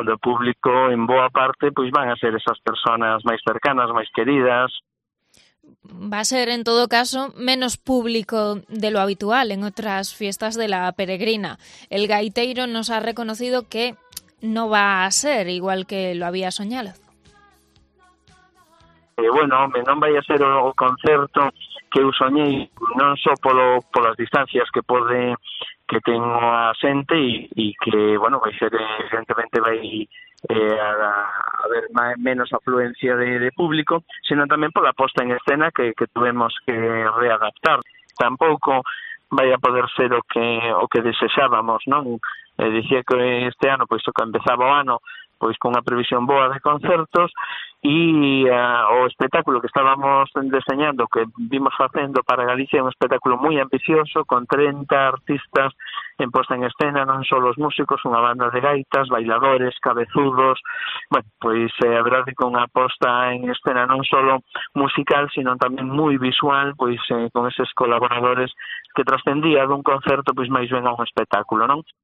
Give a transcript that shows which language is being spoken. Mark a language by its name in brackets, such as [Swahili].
[Galician] Onde o público, en boa parte, pois van a ser esas personas máis cercanas, máis queridas. [Spanish] Va a ser, en todo caso, menos público de lo habitual en outras fiestas de la peregrina. El Gaiteiro nos ha reconocido que no va a ser igual que lo había soñado. [Galician] Non vai a ser o concerto que eu soñei, non só polas distancias que pode que ten a xente e que, bueno, vai ser evidentemente vai haber menos afluencia de público, sino tamén pola posta en escena que tuvemos que readaptar. Tampouco vai a poder ser o que desexábamos, non? Dicía que este ano, pois, o que empezaba o ano, pois, con unha previsión boa de concertos, [Spanish] y o espectáculo que estábamos diseñando, que vimos haciendo para Galicia, un espectáculo muy ambicioso, con 30 artistas en puesta en escena, no solo los músicos, una banda de gaitas, bailadores, cabezudos, bueno, pues a verdad que una puesta en escena no solo musical, sino también muy visual, pues con esos colaboradores que trascendía de un concierto, pues más bien a un espectáculo, ¿no?